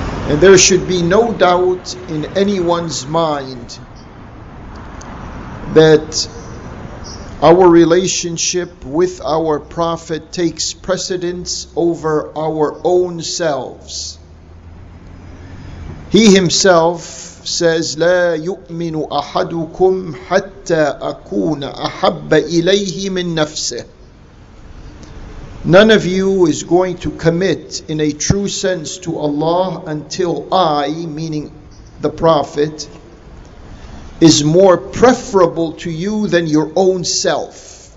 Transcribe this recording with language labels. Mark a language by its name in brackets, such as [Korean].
[English] And there should be no doubt in anyone's mind that our relationship with our Prophet takes precedence over our own selves. [Arabic] He himself says, لا يؤمن أحدكم حتى أكون أحب إليه من نفسه. [English] None of you is going to commit in a true sense to Allah until I, meaning the Prophet, is more preferable to you than your own self.